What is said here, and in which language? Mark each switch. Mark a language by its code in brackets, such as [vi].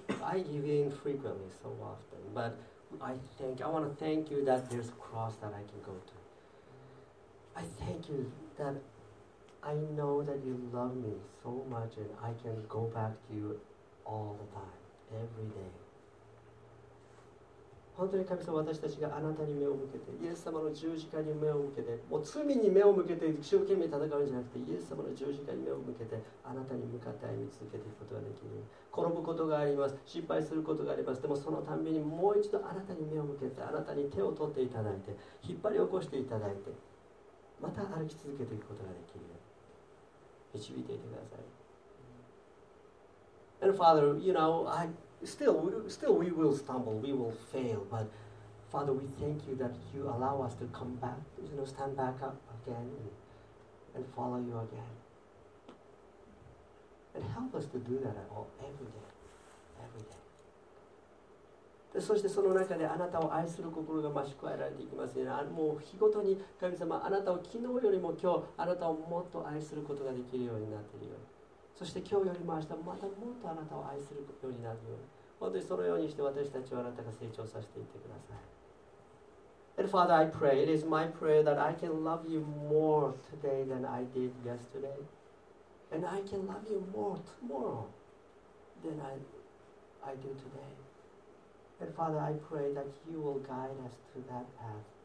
[en] I give in frequently, so often. But I want to thank you that there's a cross that I can go to. I thank you that I know that you love me so much and I can go back to you all the time, every day. [ja] 本当に神様、私たちがあなたに目を向けて、イエス様の十字架に目を向けて、もう罪に目を向けて一生懸命戦うんじゃなくて、イエス様の十字架に目を向けて、あなたに向かって歩み続けていくことができる。転ぶことがあります、失敗することがあります。でもそのたびにもう一度あなたに目を向けて、あなたに手を取っていただいて、引っ張り起こしていただいて、また歩き続けていくことができる。導いていてください。 [en] And Father, you know, Still, we will stumble, we will fail, but Father, we thank you that you allow us to come back, you know, stand back up again and follow you again. And help us to do that every day, every day. [ja] でそしてその中であなたを愛する心が増し加えられていきますよね。もう日ごとに神様、あなたを昨日よりも今日、あなたをもっと愛することができるようになっているよ。そして今日よりも明日またもっとあなたを愛するようになるように、本当にそのようにして私たちをあなたが成長させていってください。 [en] And Father, I pray, it is my prayer that I can love you more today than I did yesterday, and I can love you more tomorrow than I do today. And Father, I pray that you will guide us through that path